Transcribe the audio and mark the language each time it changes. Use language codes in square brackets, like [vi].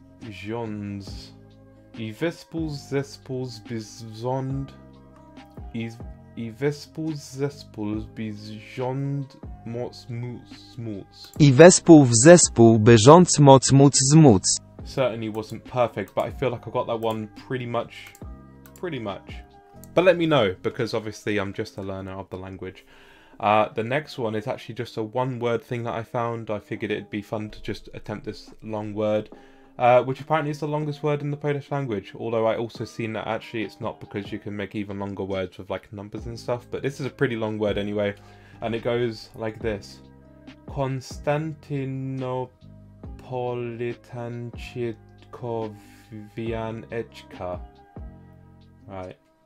[pl] Żądz. I wespół z zespół, by żądz. I wespół z zespół, by żądz. Moc, moc, moc. I wespół w zespół, by żądz moc móc zmóc. [en] Certainly wasn't perfect, but I feel like I got that one pretty much. But let me know, because obviously I'm just a learner of the language. The next one is actually just a one word thing that I found. I figured it'd be fun to just attempt this long word, which apparently is the longest word in the Polish language. Although I also seen that actually it's not, because you can make even longer words with like numbers and stuff. But this is a pretty long word anyway. And it goes like this. [pl] Konstantynopolitańczykowianeczka. Right.